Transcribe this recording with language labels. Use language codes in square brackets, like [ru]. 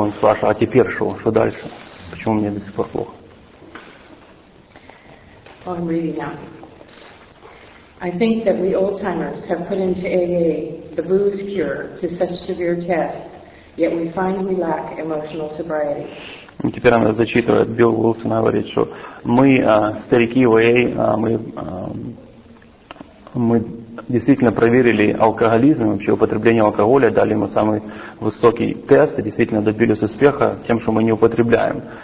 [ru] Он спрашивал, а теперь что? Что дальше? Почему мне до сих пор плохо? [en] Well, I'm reading now. I think that we old-timers have put into AA the booze cure to such severe tests, yet we find we lack emotional sobriety. [ru] Теперь она зачитывает, Билл Уилсон говорит, что мы, старики в АА, мы действительно проверили алкоголизм, вообще употребление алкоголя, дали ему самый высокий тест и действительно добились успеха тем, что мы не употребляем.